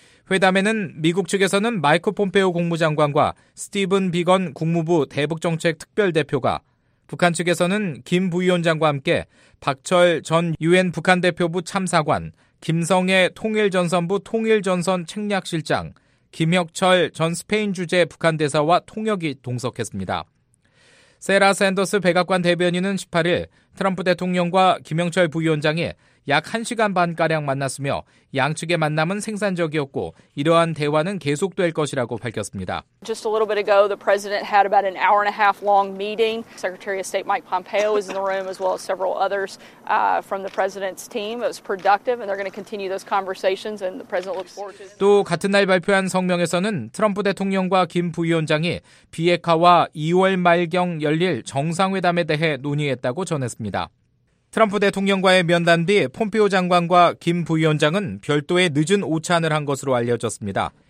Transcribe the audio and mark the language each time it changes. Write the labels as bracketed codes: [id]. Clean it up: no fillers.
[ko] 회담에는 미국 측에서는 마이크 폼페오 국무장관과 스티븐 비건 국무부 대북정책특별대표가 북한 측에서는 김 부위원장과 함께 박철 전 유엔 북한대표부 참사관, 김성애 통일전선부 통일전선 책략실장, 김혁철 전 스페인 주재 북한 대사와 통역이 동석했습니다. 세라 샌더스 백악관 대변인은 18일 트럼프 대통령과 김영철 부위원장이 약 1시간 반가량 만났으며 양측의 만남은 생산적이었고 이러한 대화는 계속될 것이라고 밝혔습니다. [en] Just a little bit ago, the president had about an hour and a half long meeting. Secretary of State Mike Pompeo was in the room as well as several others from the president's team. It was productive and they're going to continue those conversations and the president looks forward to. [ko] 또 같은 날 발표한 성명에서는 트럼프 대통령과 김 부위원장이 비핵화와 2월 말경 열릴 정상회담에 대해 논의했다고 전했습니다. 트럼프 대통령과의 면담 뒤 폼페오 장관과 김 부위원장은 별도의 늦은 오찬을 한 것으로 알려졌습니다.